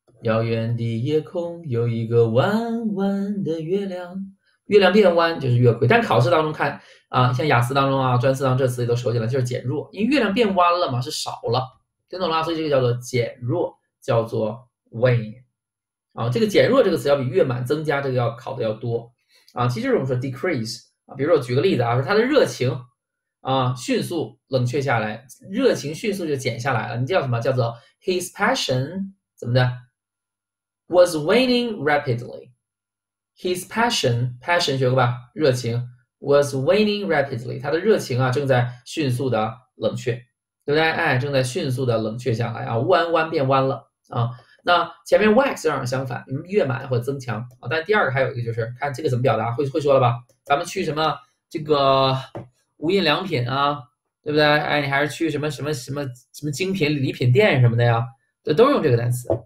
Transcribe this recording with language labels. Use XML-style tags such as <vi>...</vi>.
<zh>遥远的夜空有一个弯弯的月亮，月亮变弯就是月亏。但考试当中看啊，像雅思当中啊、专四当这词也都熟悉了，就是减弱，因为月亮变弯了嘛，是少了，听懂了吗？所以这个叫做减弱，叫做 wane 啊。这个减弱这个词要比月满增加这个要考的要多啊。其实我们说 decrease 啊，比如说我举个例子啊，说他的热情。啊，迅速冷却下来，热情迅速就减下来了。你叫什么？叫做</zh> <en>his passion</en> <zh>怎么的 ？</zh> <en>Was waning rapidly. His passion</en> <zh>学过吧？ 热情</zh> <en>was waning rapidly.</en> <zh>他的热情啊，正在迅速的冷却，对不对？哎，正在迅速的冷却下来啊，弯弯变弯了啊。那前面 wax 正好相反，越满或增强啊。但第二个还有一个就是，看这个怎么表达，会说了吧？咱们去什么这个？无印良品啊，对不对？哎，你还是去什么什么什么什么精品礼品店什么的呀，这都用这个单词</zh>